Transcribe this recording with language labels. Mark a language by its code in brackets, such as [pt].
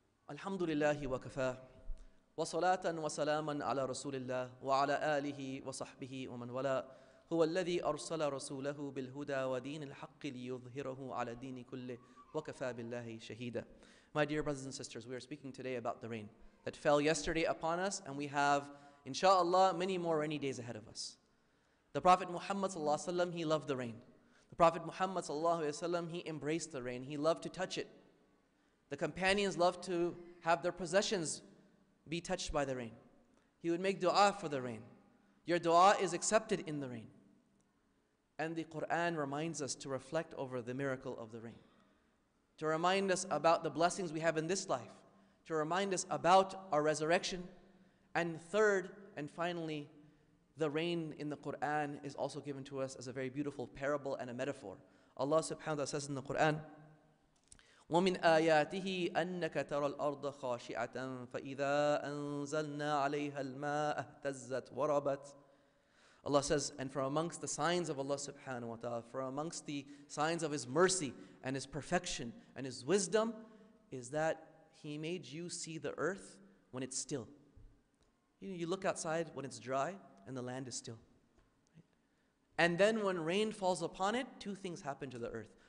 [ar] الحمد لله وكفى وصلاة وسلاما على رسول الله وعلى آله وصحبه ومن ولا هو الذي أرسل رسوله بالهدى ودين الحق ليظهره على الدين كله وكفى بالله شهيدا. [en] My dear brothers and sisters, we are speaking today about the rain that fell yesterday upon us, and we have, inshallah, many more rainy days ahead of us. The Prophet Muhammad sallallahu alaihi wasallam, he loved the rain. The Prophet Muhammad sallallahu alaihi wasallam, he embraced the rain. He loved to touch it. The companions loved to have their possessions be touched by the rain. He would make dua for the rain. Your dua is accepted in the rain. And the Quran reminds us to reflect over the miracle of the rain. To remind us about the blessings we have in this life. To remind us about our resurrection. And third and finally, the rain in the Quran is also given to us as a very beautiful parable and a metaphor. Allah subhanahu wa ta'ala says in the Quran, [ar] وَمِنْ آيَاتِهِ أَنَّكَ تَرَى الْأَرْضَ خَاشِعَةً فَإِذَا أَنزَلْنَا عَلَيْهَا الْمَاءَ اهْتَزَّتْ وَرَبَتْ. [en] Allah says, and from amongst the signs of Allah subhanahu wa ta'ala, from amongst the signs of His mercy and His perfection and His wisdom, is that He made you see the earth when it's still. You know, you look outside when it's dry and the land is still. And then when rain falls upon it, two things happen to the earth.